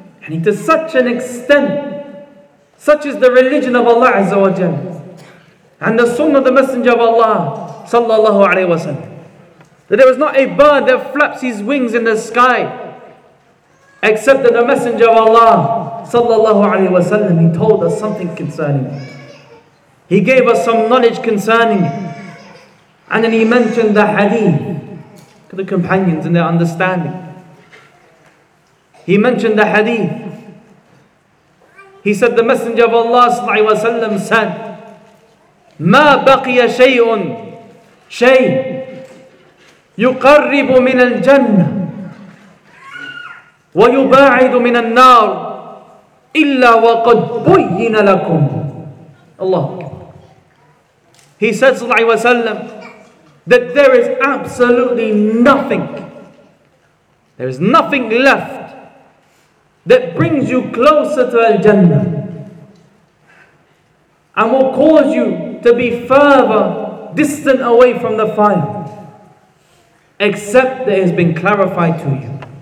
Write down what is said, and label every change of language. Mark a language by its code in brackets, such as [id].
[en] And to such an extent, such is the religion of Allah Azza wa Jal and the sunnah of the Messenger of Allah sallallahu alayhi wa sallam, that there was not a bird that flaps his wings in the sky except that the Messenger of Allah sallallahu alayhi wa sallam, he told us something concerning it. He gave us some knowledge concerning it. And then he mentioned the hadith to the companions and their understanding. He mentioned the hadith. He said the Messenger of Allah sallallahu alayhi wa sallam said, [ar] ما بقي شيء شيء يقرب من الجنة ويباعد من النار إلا وقد بين لكم. Allah. [en] He said sallallahu alayhi wa sallam that there is absolutely nothing, there is nothing left that brings you closer to Al-Jannah and will cause you to be further distant away from the fire, except that it has been clarified to you.